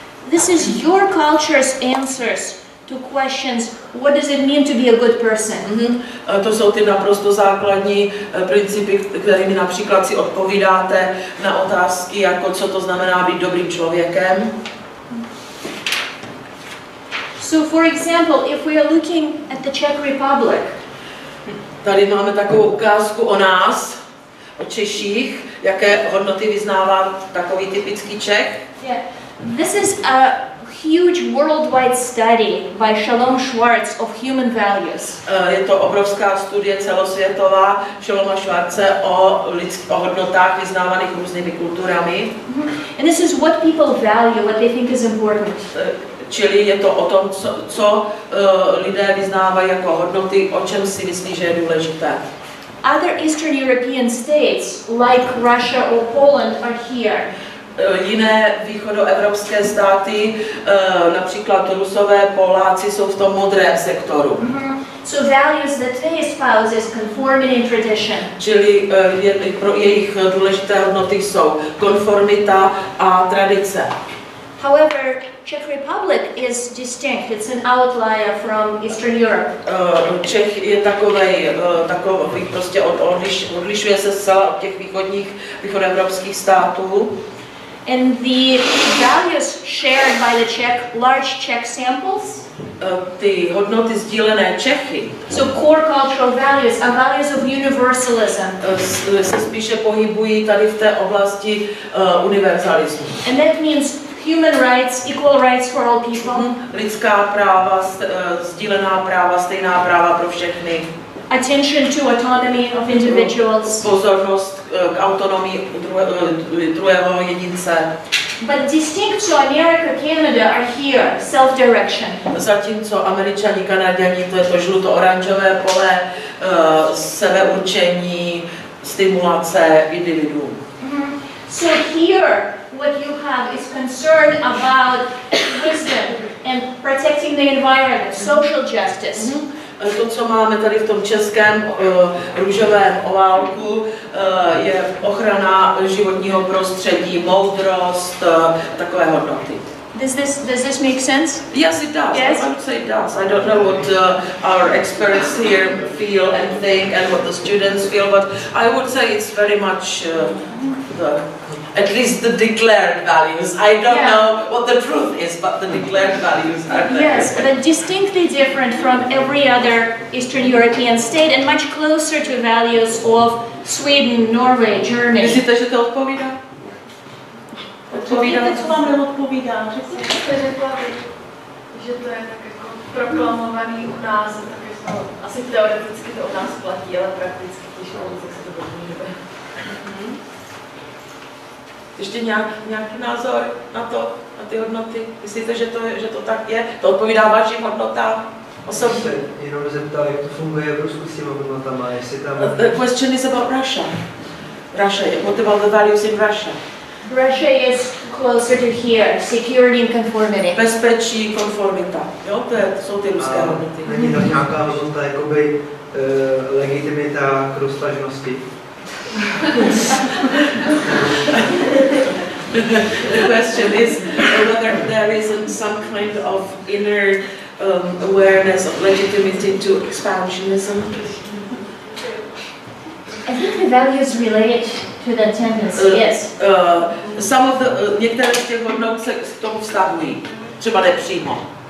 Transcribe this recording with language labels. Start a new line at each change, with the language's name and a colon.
English: This is your culture's answers to questions, what does it mean to be a good person?
Czech: To jsou ty naprosto základní principy, kterými například si odpovídáte na otázky, jako co to znamená být dobrým člověkem.
English: So for example, if we are looking at the Czech Republic.
Czech: Tady máme takovou ukázku o nás, o Češích, jaké hodnoty vyznává takový typický Čech.
English: Yeah. This is a huge worldwide study by Shalom Schwartz of human values.
Czech: Je to obrovská studie celosvětová Shaloma Schwartze o hodnotách vyznávaných různými kulturami.
English: And this is what people value, what they think is important.
Czech: Čili je to o tom, co lidé vyznávají jako hodnoty, o čem si myslí, že je důležité.
English: Other Eastern European states like Russia or Poland are here.
Czech: jiné východoevropské státy, například Rusové, Poláci jsou v tom modrém sektoru.
English: So values that they espouse is conformity and tradition.
Czech: Čili pro jejich důležité hodnoty jsou konformita a tradice.
English: However, Czech Republic is distinct. It's an outlier from Eastern Europe.
Czech: Čech je takový prostě odlišuje se zcela od těch východoevropských států.
English: And the values shared by the Czech large Czech samples.
Czech: Ty hodnoty sdílené Čechy.
English: So core cultural values are values of universalism.
Czech: Se spíše pohybují tady v té oblasti univerzalismu.
English: And that means human rights, equal rights for all people.
Czech: Lidská práva, sdílená práva, stejná práva pro všechny.
English: Attention to autonomy of individuals.
Czech: Pozornost k autonomii druhého jedince.
English: But distinct to America, Canada are here, self-direction.
Czech: Zatímco Američani, Kanaďani, to je to žluto-oranžové pole, sebeurčení, stimulace individu.
English: So here, what you have is concern about wisdom and protecting the environment, social justice.
Czech: To, co máme tady v tom českém růžovém oválku, je ochrana životního prostředí, moudrost, takové hodnoty.
English: Does this make sense? Yes, it does. Yes? I would say it does. I don't know what our experts here feel and think and what the students feel, but I would say it's very much at least the declared values. I don't know what the truth is, but the declared values are there. Yes, but distinctly different from every other Eastern European state and much closer to values of Sweden, Norway, Germany.
Czech: Myslíte, že to odpovídá? Odpovídá? Víte, co vám neodpovídá? Řekněte, že to je proklamovaný u nás, asi teoreticky to u nás platí, ale prakticky těžko, tak se to podmíříme. Ještě nějaký názor na to, na ty hodnoty? Myslíte, že to tak je? To odpovídá vašim hodnotám osobně? Jenom zeptal, jak to funguje v Rusku s těma hodnotama, jestli tam...
English: The question is about Russia. Russia, what about the values in Russia? Russia is closer to here, security and conformity.
Czech: Bezpečí, konformita. Jo, to jsou ty ruské hodnoty. Není tam nějaká hodnota, jakoby legitimita k roztažnosti?
English: The question is whether there isn't some kind of inner awareness of legitimacy to expansionism. I think the values relate to the tendency. Yes. Some of the
Czech: některé z těch hodnot se k tomu vztahují, třeba nepřímo.